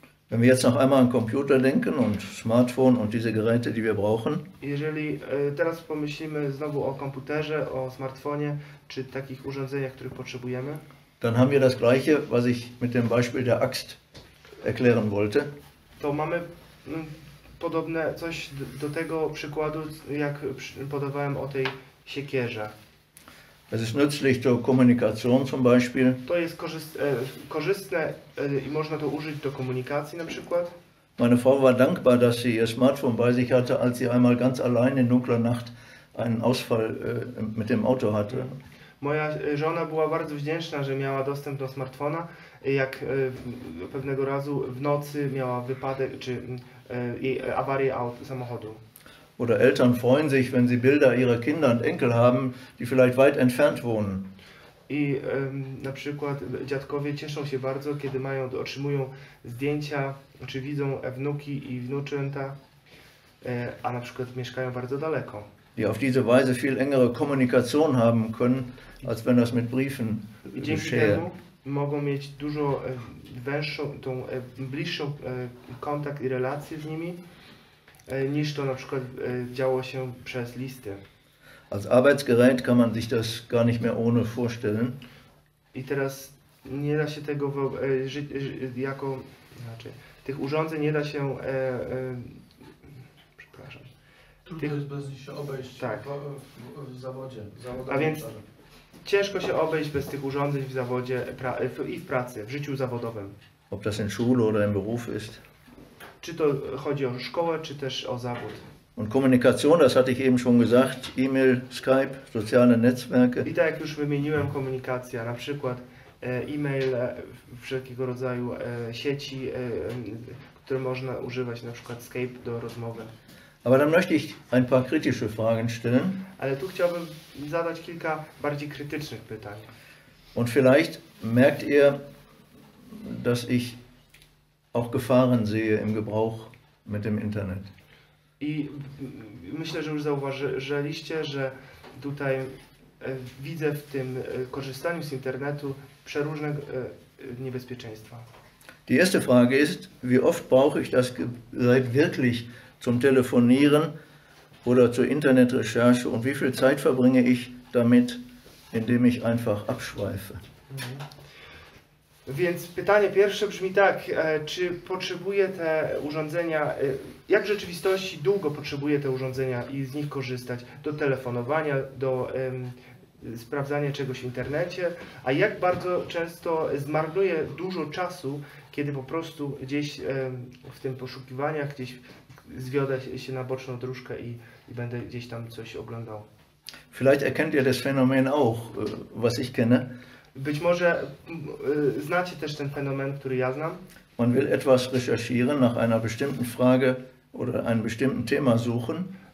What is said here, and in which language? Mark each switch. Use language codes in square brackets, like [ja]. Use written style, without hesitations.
[de] Wenn wir jetzt noch einmal an Computer denken und Smartphone und diese Geräte, die wir brauchen. [pl] Jeżeli teraz pomyślimy znowu o komputerze, o smartfonie, czy takich urządzeniach, których potrzebujemy. [de] Dann haben wir das Gleiche, was ich mit dem Beispiel der Axt erklären wollte. [pl] To mamy podobne coś do tego przykładu, jak podawałem o tej siekierze. [de] Es ist nützlich zur Kommunikation zum Beispiel. [pl] To jest korzystne i można to użyć do komunikacji na przykład. [de] Meine Frau war dankbar, dass sie ihr Smartphone bei sich hatte, als sie einmal ganz allein in dunkler Nacht einen Ausfall mit dem Auto hatte. [pl] Moja żona była bardzo wdzięczna, że miała dostęp do smartfona, jak pewnego razu w nocy miała wypadek czy awarię samochodu. [de] Oder Eltern freuen sich, wenn sie Bilder ihrer Kinder und Enkel haben, die vielleicht weit entfernt wohnen. [pl] I na przykład dziadkowie cieszą się bardzo, kiedy mają, otrzymują zdjęcia, czy widzą wnuki i wnuczęta, a na przykład mieszkają bardzo daleko. [de] Die auf diese Weise viel engere Kommunikation haben können, als wenn das mit Briefen geschehe. [pl] Mogą mieć dużo węższą, tą bliższą kontakt i relacje z nimi, niż to na przykład działo się przez listy. [de] Als Arbeitsgerät kann man sich das gar nicht mehr ohne vorstellen. [pl] I teraz nie da się tego jako, znaczy, tych urządzeń nie da się, przepraszam. Trudno tych, jest bez nich się obejść tak. W zawodzie. A więc ciężko się obejść bez tych urządzeń w zawodzie i w pracy, w życiu zawodowym. [de] Ob das in Schule oder im Beruf ist. [pl] Czy to chodzi o szkołę, czy też o zawód. [de] Und Kommunikation, das hatte ich eben schon gesagt, E-Mail, Skype, soziale Netzwerke. [pl] I tak jak już wymieniłem, komunikacja, na przykład e-mail, wszelkiego rodzaju sieci, które można używać, na przykład Skype do rozmowy. [de] Aber dann möchte ich ein paar kritische Fragen stellen. [pl] Ale tu chciałbym zadać kilka bardziej krytycznych pytań. [de] Und vielleicht merkt ihr, dass ich auch Gefahren sehe im Gebrauch mit dem Internet. [pl] I myślę, że już zauważyliście, że tutaj widzę w tym korzystaniu z internetu przeróżne niebezpieczeństwa. [de] Die erste Frage ist, wie oft brauche ich das Gerät wirklich zum Telefonieren oder zur Internetrecherche und wie viel Zeit verbringe ich damit, indem ich einfach abschweife? [pl] Więc pytanie pierwsze brzmi tak, czy potrzebuję te urządzenia, jak w rzeczywistości długo potrzebuję te urządzenia i z nich korzystać do telefonowania, do sprawdzania czegoś w internecie, a jak bardzo często zmarnuję dużo czasu, kiedy po prostu gdzieś w tym poszukiwaniach, gdzieś zwiodę się na boczną dróżkę i będę gdzieś tam coś oglądał. [de] Vielleicht erkennt ihr das Phänomen auch, was ich kenne. [pl] Być może znacie też ten fenomen, który ja znam. [de] Man will etwas recherchieren nach einer bestimmten Frage oder einem bestimmten Thema suchen.